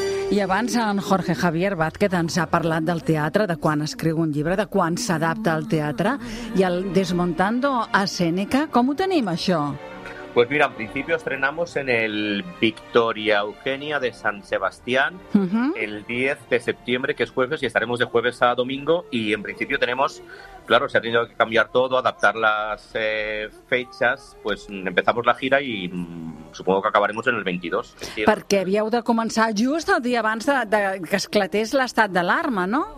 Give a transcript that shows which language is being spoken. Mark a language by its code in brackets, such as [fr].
[ca] I abans en Jorge Javier Vázquez ens ha parlat del teatre, de quan escriu un llibre, de quan s'adapta al teatre, i el Desmontando a Sèneca, com ho tenim això? [es] Pues mira, en principio estrenamos en el Victoria Eugenia de San Sebastián el 10 de septiembre, que es jueves, y estaremos de jueves a domingo. Y en principio tenemos, claro, se ha tenido que cambiar todo, adaptar las fechas, pues empezamos la gira y supongo que acabaremos en el 22. [ca] Perquè havíeu de començar just el dia abans de que esclatés l'estat d'alarma, no?